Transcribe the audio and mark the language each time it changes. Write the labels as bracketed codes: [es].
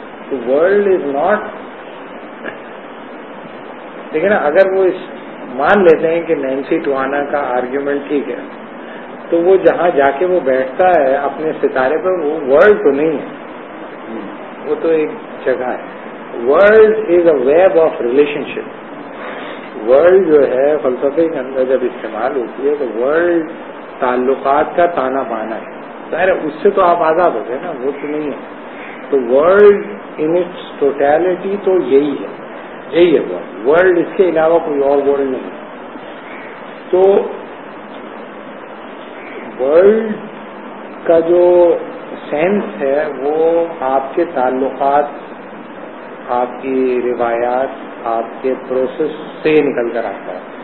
[ur] تو [en] world is not, [ur] لیکن اگر وہ اس مان لیتے ہیں کہ نینسی ٹوانا کا آرگیومنٹ ٹھیک ہے, تو وہ جہاں جا کے وہ بیٹھتا ہے اپنے ستارے پر, وہ ورلڈ تو نہیں ہے, وہ تو ایک جگہ ہے. [en] World is a web of relationship. [ur] World جو ہے فلسفے کے اندر جب استعمال ہوتی ہے تو ورلڈ تعلقات کا تانا بانا ہے. ظاہر اس سے تو آپ آزاد ہوتے ہیں نا, وہ تو نہیں ہے. تو [en] world in its totality [ur] تو یہی ہے, یہی ہے ورلڈ. ورلڈ اس کے علاوہ کوئی اور ورلڈ نہیں ہے. تو ورلڈ کا جو سینس ہے وہ آپ کے تعلقات, آپ کی روایات, آپ کے پروسیس سے نکل کر آتا ہے.